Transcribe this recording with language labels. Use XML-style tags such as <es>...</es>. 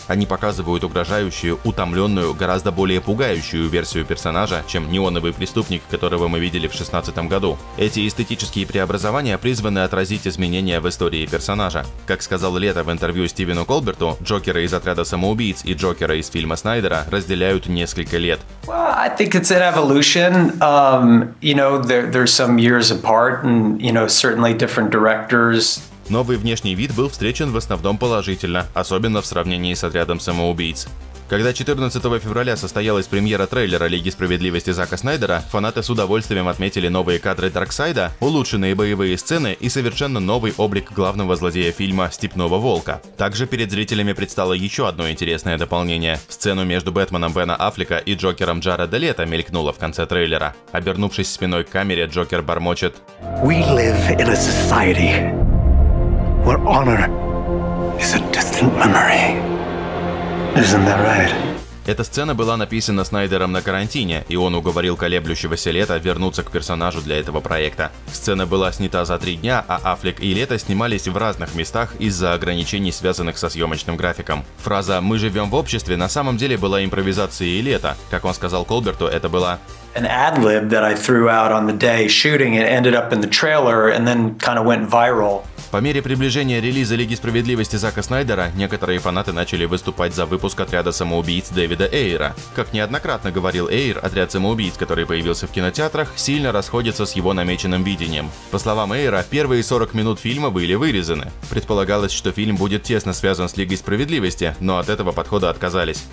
<ru>Они показывают угрожающую, утомленную, гораздо более пугающую версию персонажа, чем неоновый преступник, которого мы видели в 2016 году. Эти эстетические преобразования призваны отразить изменения в истории персонажа. Как сказал Лето в интервью Стивену Колберту, Джокера из «Отряда самоубийц» и Джокера из фильма Снайдера разделяют несколько лет.</ru> <en>I think it's an evolution. You know, there's some years apart, and you know, certainly different directors.</en> <ru>Новый внешний вид был встречен в основном положительно, особенно в сравнении с «Отрядом самоубийц». Когда 14 февраля состоялась премьера трейлера «Лиги справедливости» Зака Снайдера, фанаты с удовольствием отметили новые кадры Дарксайда, улучшенные боевые сцены и совершенно новый облик главного злодея фильма «Степного волка». Также перед зрителями предстало еще одно интересное дополнение. Сцену между Бэтменом Бена Аффлека и Джокером Джареда Лето мелькнула в конце трейлера. Обернувшись спиной к камере, Джокер бормочет:</ru> <en>«We live in a society where honor is a distant memory. Isn't that right?</en> <ru>Эта сцена была написана Снайдером на карантине, и он уговорил колеблющегося Лето вернуться к персонажу для этого проекта. Сцена была снята за 3 дня, а Аффлек и Лето снимались в разных местах из-за ограничений, связанных со съемочным графиком. Фраза «Мы живем в обществе» на самом деле была импровизацией Лето. Как он сказал Колберту, это была...</ru> <en>An ad-lib that I threw out on the day shooting, it ended up in the trailer and then kind of went viral.</en> <ru>По мере приближения релиза «Лиги справедливости» Зака Снайдера, некоторые фанаты начали выступать за выпуск «Отряда самоубийц» Дэвида Эйра. Как неоднократно говорил Эйр, «Отряд самоубийц», который появился в кинотеатрах, сильно расходится с его намеченным видением. По словам Эйра, первые 40 минут фильма были вырезаны. Предполагалось, что фильм будет тесно связан с «Лигой справедливости», но от этого подхода отказались.</ru>